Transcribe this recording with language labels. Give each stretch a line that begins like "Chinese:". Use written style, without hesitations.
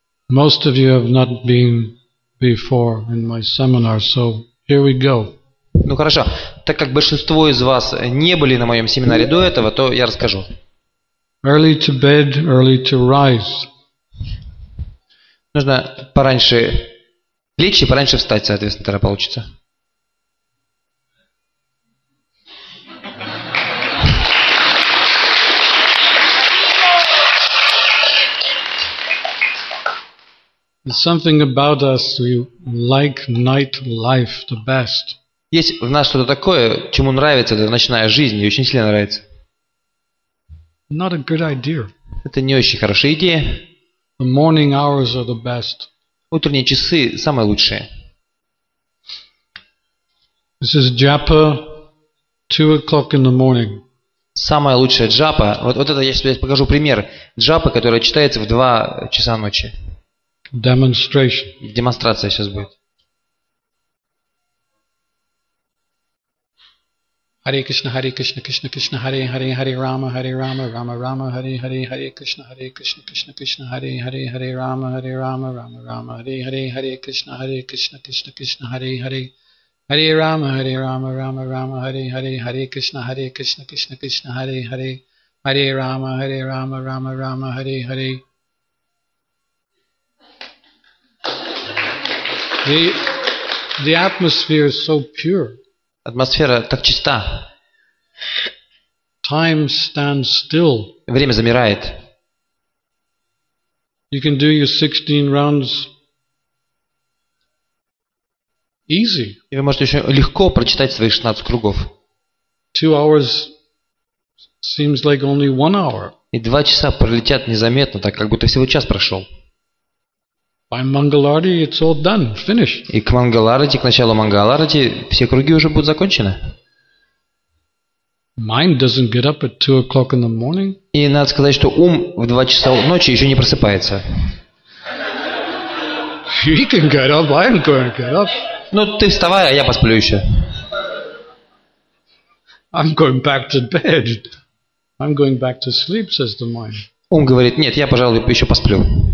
English: Most of you have not been before in my seminar, so here we go.
Russian: Ну хорошо, так как большинство из вас не были на моем семинаре до этого, то я расскажу.
English: Early to bed, early to rise.
Russian: Нужно пораньше лечь и пораньше встать, соответственно, тогда получится.
English: Something about us we like night life the best.
Russian: Есть в нас что-то такое, чему нравится эта ночная жизнь, и очень сильно нравится.
English: Not a good idea.
Russian: Это не очень хорошая идея.
English: The morning hours are the best.
Russian: Утренние часы самые лучшие.
English: This is japa, 2 o'clock in the morning.
Russian: Самая лучшая джапа. Вот это я сейчас покажу пример джапы, которая читается в 2 часа ночи.
English: Demonstration.
Russian: Демонстрация сейчас будет.
Sanskrit: Hare Krishna, Hare Krishna, Krishna Krishna, Hare Hare, Hare Rama, Hare Rama, Rama Rama, Hare Hare, Hare Krishna, Hare Krishna, Krishna Krishna, Hare Hare, Hare Rama, Hare Rama, Rama Rama, Hare Hare, Hare Krishna, Hare Krishna, Krishna Krishna, Hare Hare, Hare Rama, Hare Rama, Rama Rama, Hare Hare, Hare Krishna, Hare Krishna, Krishna Krishna, Hare Hare, Hare Rama, Hare Rama, Rama Rama, Hare Hare.
English: The atmosphere is so pure.
Russian: Атмосфера так чиста.
English: Time stands still.
Russian: Время замирает.
English: You can do your 16 rounds easy.
Russian: И вы можете очень легко прочитать свои 16 кругов.
English: 2 hours seems like only 1 hour.
Russian: И 2 часа пролетят незаметно, так как будто всего час прошел.
English: By Mangalarti, it's all done, finished.
Russian: И к Мангаларати, к началу Мангаларати, все круги уже будут закончены.
English: Mind doesn't get up at 2 o'clock in the morning.
Russian: И надо сказать, что ум в 2 часа ночи еще не просыпается.
English: He can get up, I'm going to get up.
Russian: Ну, ты вставай, а я посплю еще.
English: I'm going back to bed. I'm going back to sleep, says the mind.
Russian: Ум говорит: нет, я, пожалуй, еще посплю.